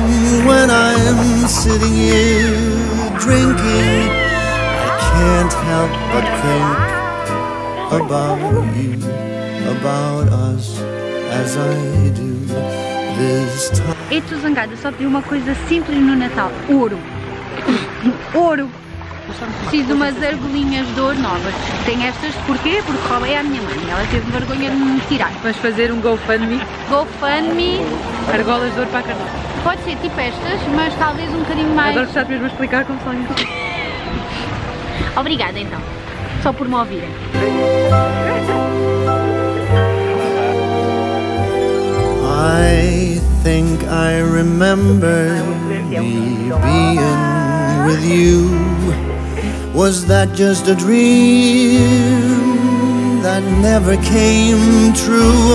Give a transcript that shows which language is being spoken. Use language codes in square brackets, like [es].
[en] When I'm sitting here drinking, I can't help but think about you, about us, as I do this time. [pt] E tu zangada, só pedi uma coisa simples no Natal, ouro. Ouro. Preciso de umas argolinhas de ouro novas. Tenho estas porquê? Porque roubei à minha mãe. Ela teve vergonha de me tirar. Vais fazer um GoFundMe? GoFundMe. Argolas de ouro para a Carlota. Pode ser tipo estas, mas talvez um bocadinho mais. Agora precisaste mesmo a explicar como são. Obrigada então. Só por me ouvirem. [en] I think I remember me being with you. Was that just a dream that never came true?